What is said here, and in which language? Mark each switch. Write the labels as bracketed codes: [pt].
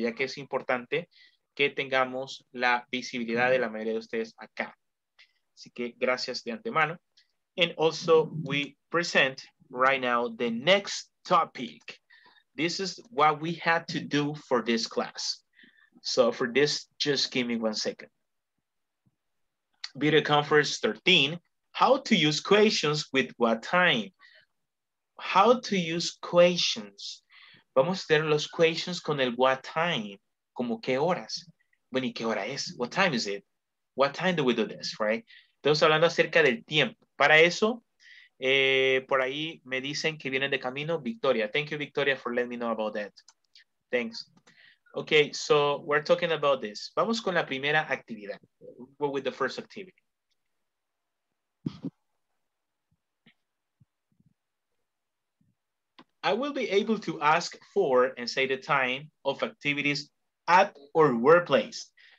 [es] Ya que es importante que tengamos la visibilidad de la mayoría de ustedes acá. Así que gracias de antemano. [en] And also we present right now the next topic. This is what we had to do for this class. So for this, just give me 1 second. Video conference 13, how to use questions with what time? How to use questions? [es] Vamos a tener los questions con el what time, como qué horas. Bueno, ¿y qué hora es? [en] What time is it? What time do we do this, right? [es] Estamos hablando acerca del tiempo. Para eso, por ahí me dicen que vienen de camino, Victoria. [en] Thank you, Victoria, for letting me know about that. Thanks. Okay, so we're talking about this. [es] Vamos con la primera actividad. [en] We're with the first activity. I will be able to ask for and say the time of activities at or workplace.